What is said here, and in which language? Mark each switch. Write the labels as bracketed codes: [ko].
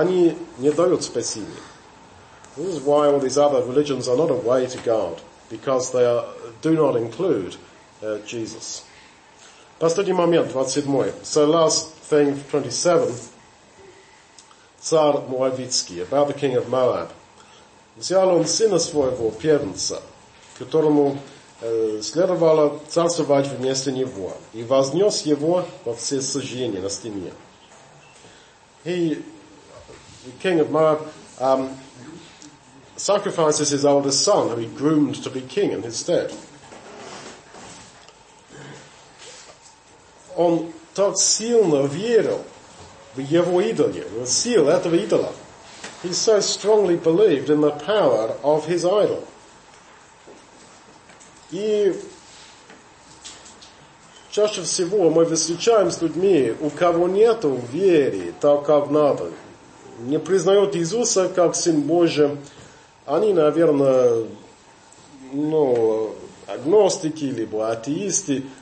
[ru] Они не дают спасения. [en] This is why all these other religions are not a way to God, because they do not include Jesus. [ru] Последний момент, [en] 27. So last thing, 27. [ru] Цар Моавицкий, [en] about the king of Moab. [ru] Взял он сына своего, первенца, которому следовало царствовать вместо него, и вознес его во все сожжения на стене. [en] The king of Moab, sacrifices his oldest son, who he groomed to be king in his stead. [ru] он так сильно верил в его идоле, в силу этого идола. [en] He so strongly believed in the power of his idol. [ru] И чаще всего мы встречаем с людьми, у кого нету веры так, как надо. Не признают Иисуса как Сын Божий. Они, наверное, ну, агностики, либо атеисты.